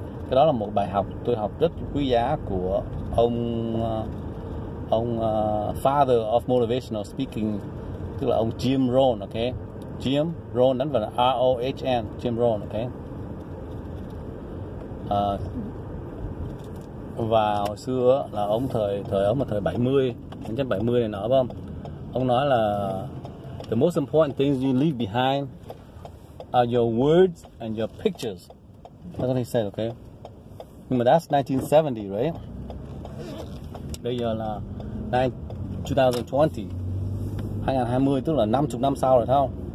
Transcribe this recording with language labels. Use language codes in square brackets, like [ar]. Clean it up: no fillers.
[vi] Cái đó là một bài học tôi học rất quý giá của ông [en] Father of Motivational Speaking, [vi] tức là ông Jim Rohn, ok? Jim Rohn, đánh vào là R-O-H-N, Jim Rohn, ok? Và hồi xưa là ông thời ông mà thời 70, 1970 này nọ, phải không? Ông nói là [en] the most important things you leave behind are your words and your pictures. That's what he said, ok? [vi] Nhưng mà [en] that's 1970, right? [vi] Bây giờ là 2020, tức là 50 năm sau rồi, không?